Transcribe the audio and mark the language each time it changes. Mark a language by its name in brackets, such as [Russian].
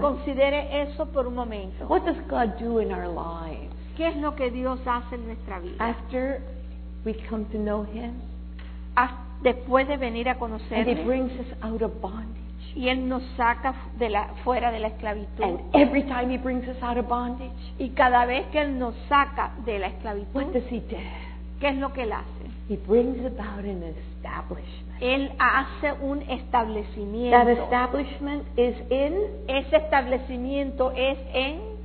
[Spanish] Considere eso por un momento. [English] What does God do in our lives? [Spanish] ¿Qué es lo que Dios hace en nuestra vida? [English] After we come to know Him. [Spanish] Después de venir a conocerle, [English] and he brings us out of bondage. [Spanish] Y él nos saca fuera de la esclavitud. [English] And every time he brings us out of bondage, [Spanish] y cada vez que él nos saca de la esclavitud, [English] what does he do? [Spanish] ¿Qué es lo que él hace? [English] He brings about an establishment. [Spanish] Él hace un establecimiento. [English] That establishment is in. [Spanish] Ese establecimiento es en.